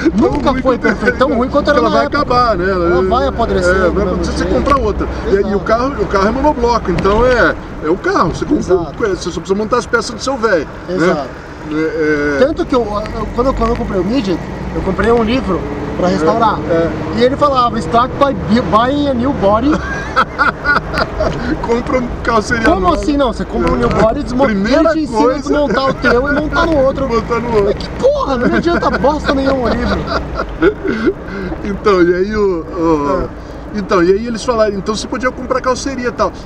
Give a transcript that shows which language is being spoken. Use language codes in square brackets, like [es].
[pt] nunca foi perfeito, tão ruim quanto era na época. Ela vai acabar, né? Ela vai apodrecer. É, vai apodrecer, você compra outra. Exato. E o carro é monobloco, então é o carro. Você compra, você só precisa montar as peças do seu velho. Exato. Né? Tanto que quando eu comprei o Midget, eu comprei um livro pra restaurar. E ele falava, [en] start by buying a new body. [pt] Compra um carroceria. Como nova. Assim não? Você compra um [en] new body, [pt] desmonta e ensina a desmontar o teu e montar no outro. Montar no outro. Mas que porra, não adianta bosta nenhum livro. Então, e aí então, e aí eles falaram, então você podia comprar carroceria e tal.